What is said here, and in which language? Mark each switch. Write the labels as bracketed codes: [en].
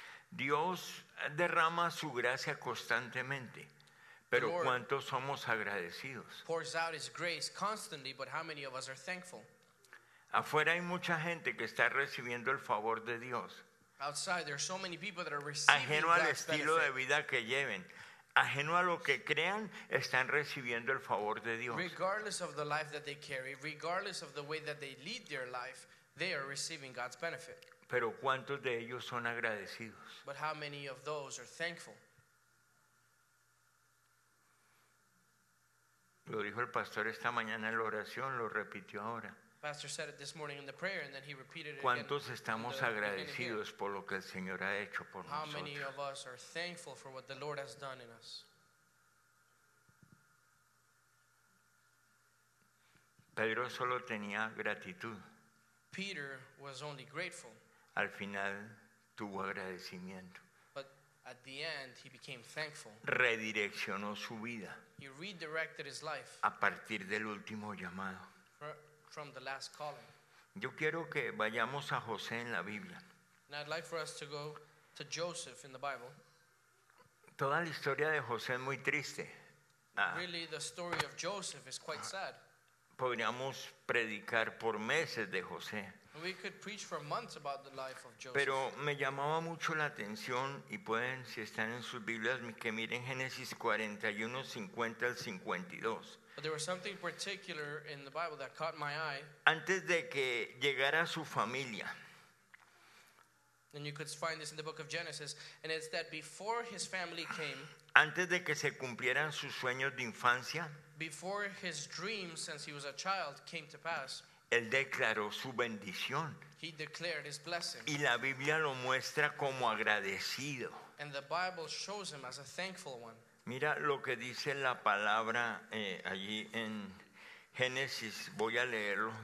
[es] Dios derrama su gracia constantemente, pero ¿cuántos somos agradecidos? [en] The Lord pours out his grace constantly, but how many of us are thankful? [es] Afuera hay mucha gente que está recibiendo el favor de Dios. [en] Outside, there are so many people that are receiving God's benefit. [es] Ajeno al estilo de vida que lleven. Ajeno a lo que crean, están recibiendo el favor de Dios. [en] Regardless of the life that they carry, regardless of the way that they lead their life, they are receiving God's benefit. [es] Pero ¿cuántos de ellos son agradecidos? [en] But how many of those are thankful? [es] Lo dijo el pastor esta mañana en la oración, lo repitió ahora. [en] Pastor said it this morning in the prayer, and then he repeated it. [es] ¿Cuántos [en] again [es] estamos agradecidos por lo que el Señor ha hecho por [en] How [es] nosotros? [en] Many of us are thankful for what the Lord has done in us? [es] Pedro solo tenía gratitud. [en] Peter was only grateful. [es] Al final tuvo agradecimiento. [en] But at the end, he became thankful. [es] Redireccionó su vida. [en] He redirected his life. [es] A partir del último llamado. [en] From the last calling. [es] Yo quiero que vayamos a José en la Biblia. [en] And I'd like for us to go to Joseph in the Bible. [es] Toda la historia de José es muy triste. [en] Really, the story of Joseph is quite sad. [es] Podríamos predicar por meses de José. [en] We could preach for months about the life of Joseph. [es] Pero me llamaba mucho la atención, y pueden, si están en sus Biblias, que miren Génesis 41, 50 al 52. [en] But there was something particular in the Bible that caught my eye. [es] Antes de que llegara su familia. [en] And you could find this in the book of Genesis. And it's that before his family came. [es] Antes de que se cumplieran sus sueños de infancia. [en] Before his dreams since he was a child came to pass. [es] Él declaró su bendición. [en] He declared his blessing. [es] Y la Biblia lo muestra como agradecido. [en] And the Bible shows him as a thankful one. [es] Mira lo que dice la palabra allí en Génesis, voy a leerlo.